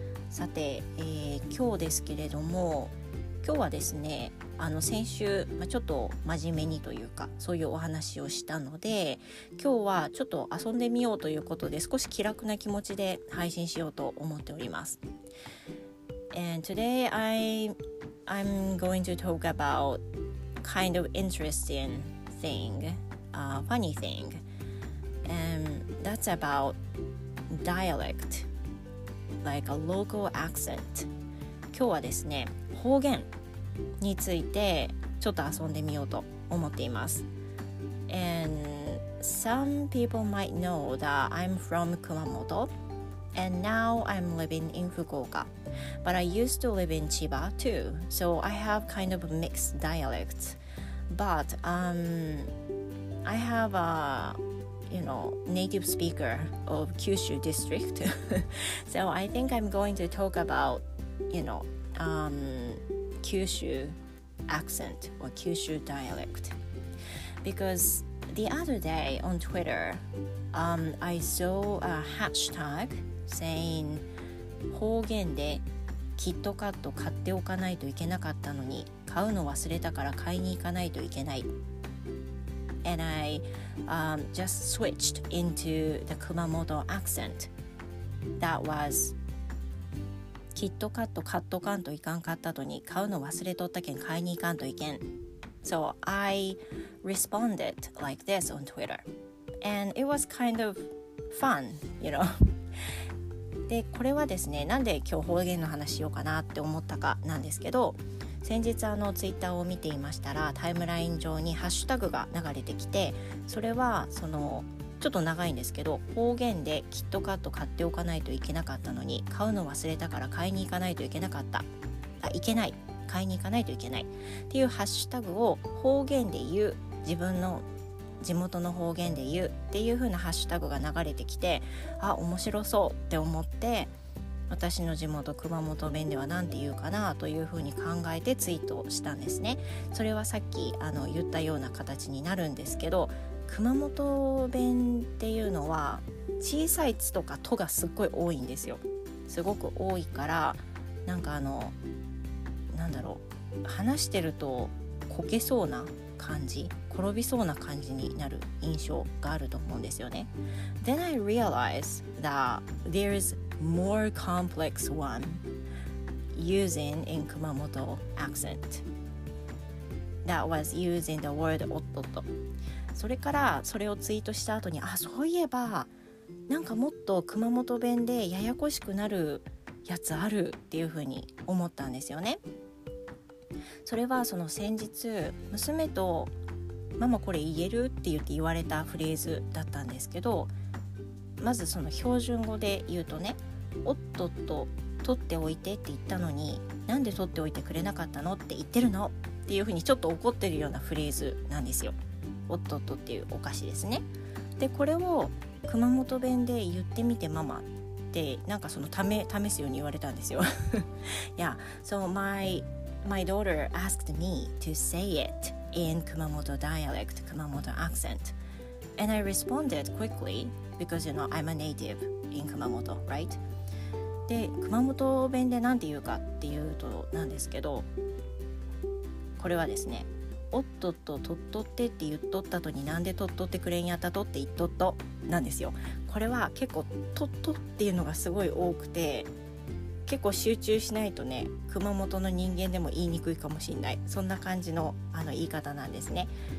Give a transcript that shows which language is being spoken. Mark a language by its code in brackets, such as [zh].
[ja] さて、今日ですけれども、今日はですね、先週、ちょっと真面目にというかそういうお話をしたので、今日はちょっと遊んでみようということで少し気楽な気持ちで配信しようと思っております。 [en] And today I'm going to talk about kind of interesting thing, funny thing, and that's about dialect, like a local accent. [ja] 今日はですね、方言についてちょっと遊んでみようと思っています。 [en] And some people might know that I'm from Kumamoto and now I'm living in Fukuoka, but I used to live in Chiba too, so I have kind of mixed dialects, but I have a native speaker of Kyushu district so I think I'm going to talk about Kyushu accent or Kyushu dialect. Because the other day on Twitter, I saw a hashtag saying [ja] 方言でキットカット買っておかないといけなかったのに買うの忘れたから買いに行かないといけない。 [en] And I just switched into the Kumamoto accent. That was [ja] キットカット買っとかんといかんかったとに買うの忘れとったけん買いに行かんといけん。 [en] So I responded like this on Twitter and it was kind of fun, you know. [ja] で、これはですね、なんで今日方言の話しようかなって思ったかなんですけど、先日ツイッターを見ていましたらタイムライン上にハッシュタグが流れてきて、それはそのちょっと長いんですけど、方言でキットカット買っておかないといけなかったのに買うの忘れたから買いに行かないといけなかった、あ、いけない、買いに行かないといけないっていうハッシュタグを方言で言う、自分の地元の方言で言うっていう風なハッシュタグが流れてきて、あ、面白そうって思って、私の地元熊本弁ではなんて言うかなという風に考えてツイートしたんですね。それはさっき言ったような形になるんですけど、熊本弁っていうのは小さいつとかとがすっごい多いんですよ。すごく多いから、なんかなんだろう、話してるとこけそうな感じ、転びそうな感じになる印象があると思うんですよね。 [en] Then I realized that there is more complex one using in 熊本 accent that was using the word おっとっと。 [ja] それからそれをツイートした後に、あ、そういえばなんかもっと熊本弁でややこしくなるやつあるっていう風に思ったんですよね。それはその先日娘と、ママこれ言えるって言って言われたフレーズだったんですけど、まずその標準語で言うとね、おっとっと取っておいてって言ったのに、なんで取っておいてくれなかったのって言ってるのっていう風にちょっと怒ってるようなフレーズなんですよ。おっとっとっていうお菓子ですね。でこれを熊本弁で言ってみてママってなんかその試すように言われたんですよ。 [en] Yeah, so my daughter asked me to say it in 熊本 dialect, 熊本 accent. And I responded quickly because, you know, I'm a native in 熊本, right? [ja] で、熊本弁でなんて言うかっていうとなんですけど、これはですね、おっとっと、とっとってって言っとった後になんでとっとってくれんやったとって言っとっとなんですよ。これは結構とっとっていうのがすごい多くて、結構集中しないとね、熊本の人間でも言いにくいかもしれない、そんな感じの言い方なんですね。